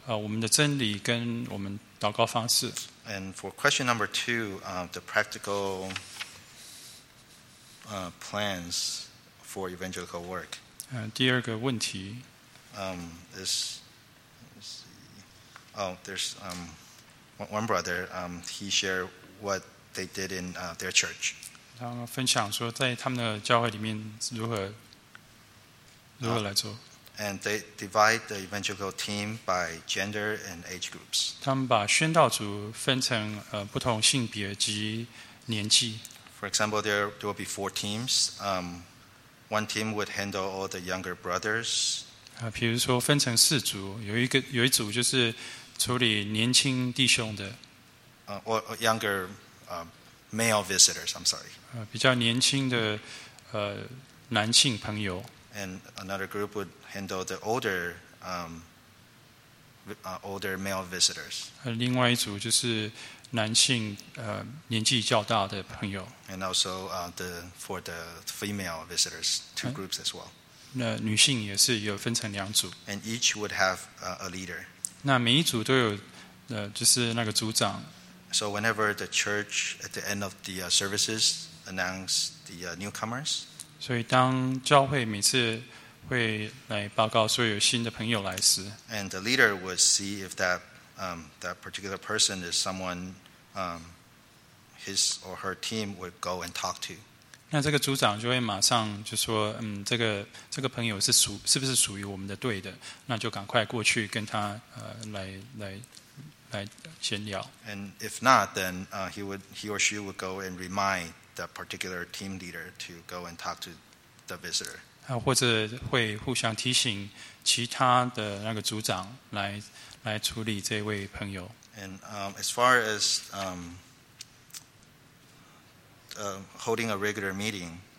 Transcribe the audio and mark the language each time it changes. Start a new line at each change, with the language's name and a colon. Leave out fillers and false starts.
Chinese: 因为他们比较能够接受我们的真理跟我们祷告方式。
English: And for question number two, the practical plans for evangelical work.
Chinese: 第二个问题。
English: Is, let's see. Oh, there's one brother, he shared what they did in their church.
Chinese: 他分享说在他们的教会里面如何来做。
English: And they divide the evangelical team by gender and age groups.
Chinese: 他们把宣道组分成不同性别及年纪。
English: For example, there will be four teams. One team would handle all the younger brothers.
Chinese: 比如说分成四组，有一组就是处理年轻弟兄的。
English: Or younger male visitors. I'm sorry.
Chinese: 比较年轻的男性朋友。
English: And another group would handle the older, older male visitors.
Chinese: 另外一组就是男性年纪较大的朋友。
English: And also for the female visitors, two groups as well.
Chinese: 那女性也是有分成两组。
English: And each would have a leader.
Chinese: 那每一组都有就是那个组长。
English: So whenever the church at the end of the services announced the newcomers.
Chinese: 所以当教会每次会来报告说有新的朋友来时
English: ，and the leader would see if that particular person is someone his or her team would go and talk to。
Chinese: 那这个组长就会马上就说，这个朋友是不是属于我们的队的？那就赶快过去跟他来闲聊。
English: And if not, then he or she would go and remind. That particular team leader to go and talk to the visitor.
Chinese: 或者会互相提醒其他的那个组长来处理这位朋友。
English: And as far as holding a regular meeting,